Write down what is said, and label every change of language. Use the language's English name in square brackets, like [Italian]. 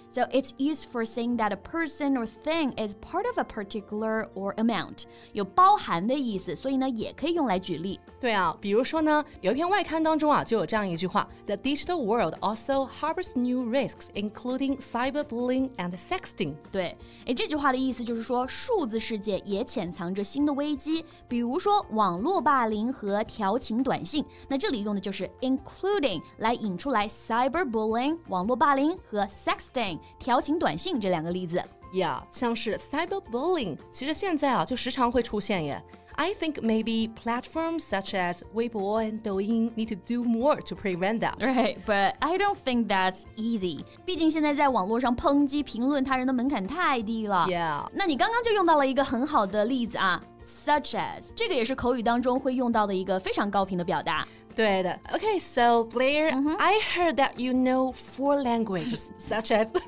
[English] So it's used for saying that a person or thing is part of a particular or amount. [Chinese] 有包含的意思，所以呢也可以用来举例。对啊，比如说呢，有一篇外刊当中啊，就有这样一句话 , [English] The digital world also harbors new risks, including cyberbullying and sexting. [Chinese] 对，诶，这句话的意思就是说，数字世界也潜藏着新的危机，比如说网络霸凌和调情短信。那这里用的就是 including 来引出来 cyberbullying, 网络霸凌和 sexting, 调情短信这两个例子。 Yeah, 像是 cyberbullying, 其实现在啊，就时常会出现耶。 [English] I think maybe platforms such as Weibo and Douyin need to do more to prevent that. Right, but I don't think that's easy. [Chinese] 毕竟现在在网络上抨击评论他人的门槛太低了。 [English] Yeah. [Chinese] 那你刚刚就用到了一个很好的例子啊 ,such as, 这个也是口语当中会用到的一个非常高频的表达。对的。 [English] Okay, so Blair,、mm-hmm. I heard that you know four languages, such as...